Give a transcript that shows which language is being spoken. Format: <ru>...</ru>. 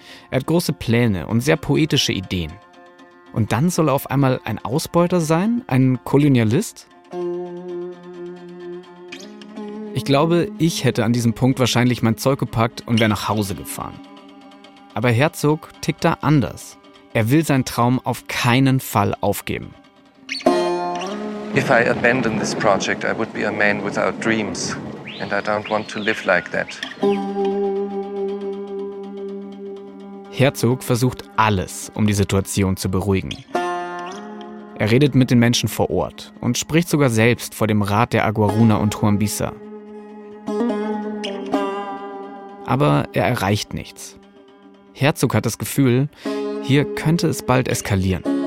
<de>Er hat große Pläne und sehr poetische Ideen. Und dann soll er auf einmal ein Ausbeuter sein? Ein Kolonialist? Ich glaube, ich hätte an diesem Punkt wahrscheinlich mein Zeug gepackt und wäre nach Hause gefahren. Aber Herzog tickt da anders. Er will seinen Traum auf keinen Fall aufgeben.</de> <en>If I abandon this project, I would be a man without dreams. And I don't want to live like that.</en> <de>Herzog versucht alles, um die Situation zu beruhigen. Er redet mit den Menschen vor Ort und spricht sogar selbst vor dem Rat der Aguaruna und Huambisa. Aber er erreicht nichts. Herzog hat das Gefühl, hier könnte es bald eskalieren.</de>